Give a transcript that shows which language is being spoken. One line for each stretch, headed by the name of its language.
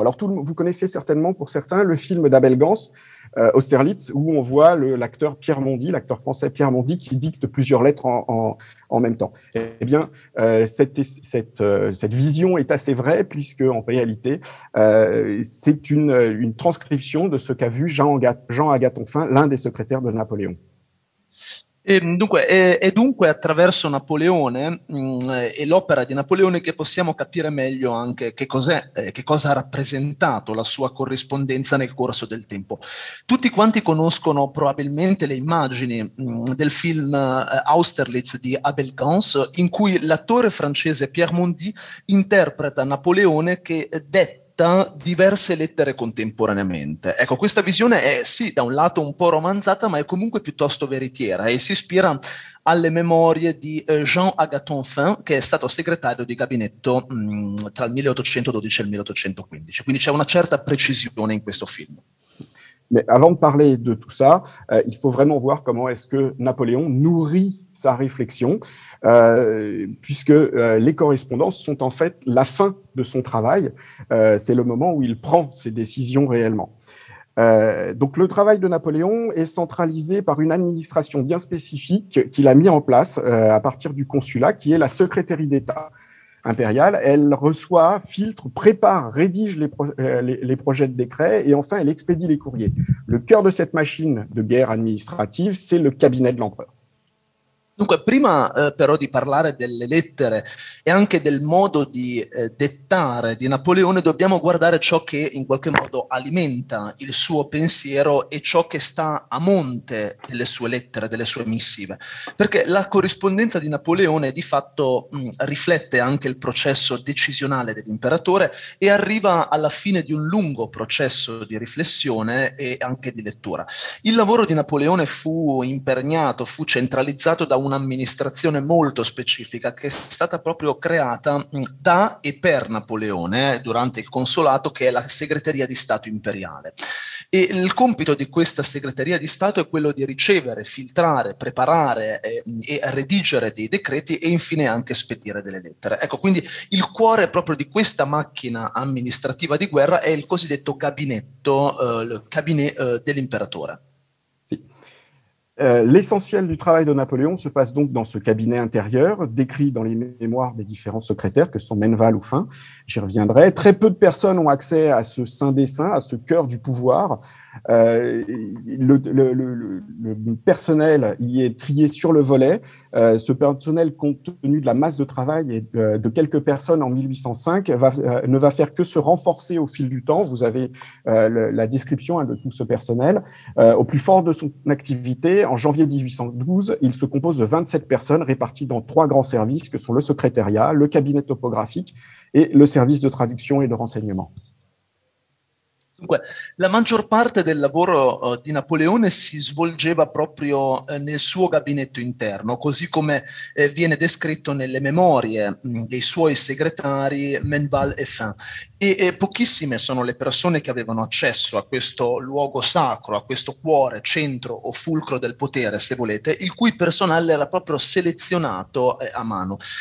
French: Alors, vous connaissez certainement, pour certains, le film d'Abel Gance, Austerlitz, où on voit l'acteur Pierre Mondy, l'acteur français Pierre Mondy, qui dicte plusieurs lettres en même temps. Eh bien, cette vision est assez vraie, puisque, en réalité, c'est une transcription de ce qu'a vu Jean Agathonfin, l'un des secrétaires de Napoléon.
Italian: Dunque attraverso Napoleone e l'opera di Napoleone che possiamo capire meglio anche che cos'è, che cosa ha rappresentato la sua corrispondenza nel corso del tempo. Tutti quanti conoscono probabilmente le immagini del film Austerlitz di Abel Gance, in cui l'attore francese Pierre Mondy interpreta Napoleone che detta diverse lettere contemporaneamente. Ecco, questa visione è sì da un lato un po' romanzata, ma è comunque piuttosto veritiera e si ispira alle memorie di Jean Agathonfin, che è stato segretario di gabinetto tra il 1812 e il 1815. Quindi c'è una certa precisione in questo film.
French: Mais avant de parler de tout ça, il faut vraiment voir comment est-ce que Napoléon nourrit sa réflexion, puisque les correspondances sont en fait la fin de son travail. C'est le moment où il prend ses décisions réellement. Donc le travail de Napoléon est centralisé par une administration bien spécifique qu'il a mis en place à partir du consulat, qui est la secrétaire d'État impériale. Elle reçoit, filtre, prépare, rédige les projets de décret et enfin elle expédie les courriers. Le cœur de cette machine de guerre administrative, c'est le cabinet de l'empereur.
Italian: Dunque, prima però di parlare delle lettere e anche del modo di dettare di Napoleone, dobbiamo guardare ciò che in qualche modo alimenta il suo pensiero e ciò che sta a monte delle sue lettere, delle sue missive. Perché la corrispondenza di Napoleone di fatto riflette anche il processo decisionale dell'imperatore e arriva alla fine di un lungo processo di riflessione e anche di lettura. Il lavoro di Napoleone fu impregnato, fu centralizzato da un'amministrazione molto specifica che è stata proprio creata da e per Napoleone durante il consolato, che è la Segreteria di Stato Imperiale. E il compito di questa Segreteria di Stato è quello di ricevere, filtrare, preparare e redigere dei decreti e infine anche spedire delle lettere. Ecco, quindi il cuore proprio di questa macchina amministrativa di guerra è il cosiddetto gabinetto, dell'imperatore. Sì.
French: L'essentiel du travail de Napoléon se passe donc dans ce cabinet intérieur, décrit dans les mémoires des différents secrétaires, que sont Menval ou Fin, j'y reviendrai. Très peu de personnes ont accès à ce saint des saints, à ce cœur du pouvoir. Le personnel y est trié sur le volet. Ce personnel, compte tenu de la masse de travail et de quelques personnes en 1805, ne va faire que se renforcer au fil du temps. Vous avez la description de tout ce personnel. Au plus fort de son activité, en janvier 1812, il se compose de 27 personnes réparties dans trois grands services, que sont le secrétariat, le cabinet topographique et le service de traduction et de renseignement.
Italian: Dunque, la maggior parte del lavoro di Napoleone si svolgeva proprio nel suo gabinetto interno, così come viene descritto nelle memorie dei suoi segretari Menval e Fin. E pochissime sono le persone che avevano accesso a questo luogo sacro, a questo cuore, centro o fulcro del potere, se volete, il cui personale era proprio selezionato a mano.